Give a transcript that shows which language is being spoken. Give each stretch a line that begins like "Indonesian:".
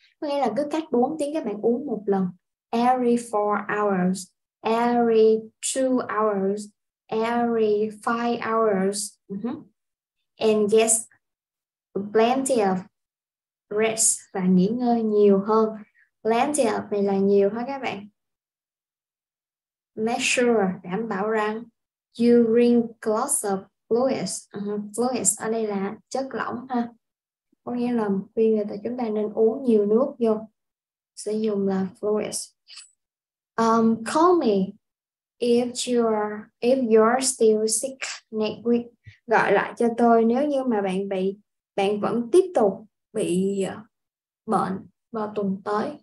Vietnamese: Có nghĩa là cứ cách 4 tiếng các bạn uống một lần.
English: Every 4 hours, every 2 hours, every 5 hours and get plenty of rest,
Vietnamese: và nghỉ ngơi nhiều hơn. Plenty of này là nhiều hả các bạn?
English: Make sure,
Vietnamese: đảm bảo rằng
English: you drink lots of fluids.
Vietnamese: Fluids ở đây là chất lỏng ha. Có nghĩa là khi người ta chúng ta nên uống nhiều nước vô. Sử dụng là
English: fluids. Call me if you're still sick next week.
Vietnamese: Gọi lại cho tôi nếu như mà bạn vẫn tiếp tục bị bệnh vào tuần tới.